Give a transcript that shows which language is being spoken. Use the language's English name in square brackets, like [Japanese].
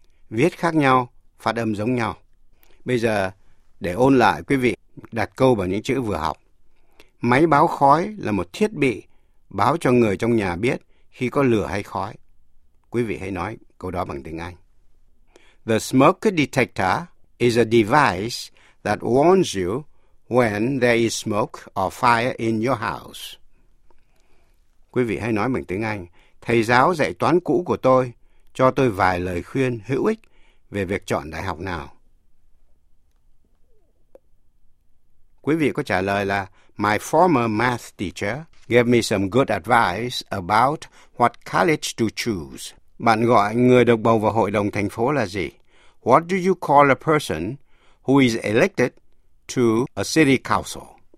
[Vietnamese] Viết khác nhau, phát âm giống nhau. Bây giờ, để ôn lại, quý vị đặt câu vào những chữ vừa học. Máy báo khói là một thiết bị báo cho người trong nhà biết khi có lửa hay khói. Quý vị hãy nói câu đó bằng tiếng Anh. [English] The smoke detector is a device that warns you when there is smoke or fire in your house. [Vietnamese] Quý vị hãy nói bằng tiếng Anh. Thầy giáo dạy toán cũ của tôi cho tôi vài lời khuyên hữu ích về việc chọn đại học nào. Quý vị có trả lời là [English] My former math teacher gave me some good advice about what college to choose. [Vietnamese] Bạn gọi người được bầu vào hội đồng thành phố là gì? [English] What do you call a person who is elected to a city council?